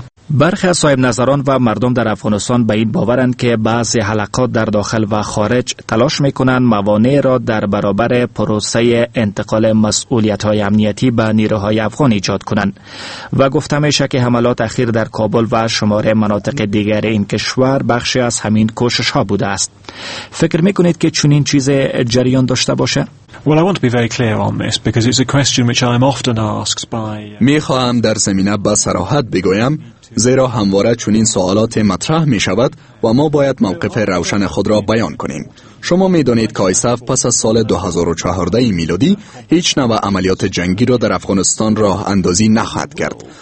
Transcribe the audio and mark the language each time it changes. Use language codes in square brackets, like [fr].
[fa] برخی از صاحب نظران و مردم در افغانستان به این باورند که بعضی حلقات در داخل و خارج تلاش میکنند موانع را در برابر پروسه انتقال مسئولیت های امنیتی به نیروهای افغان ایجاد کنند و گفته میشه که حملات اخیر در کابل و شماره مناطق دیگر این کشور بخشی از همین کوشش ها بوده است. فکر میکنید که چنین چیز جریان داشته باشه؟ [en] Well, I want to be very clear on this because it's a question which I'm often asked by. [fa] می خواهم در زمینه با صراحت بگویم، زیرا همواره چنین سوالات مطرح می شود و ما باید موقف روشن خود را بیان کنیم. شما می دانید که ایساف پس از سال 2014 میلادی هیچ نوع عملیات جنگی را در افغانستان راه اندازی نخواهد کرد.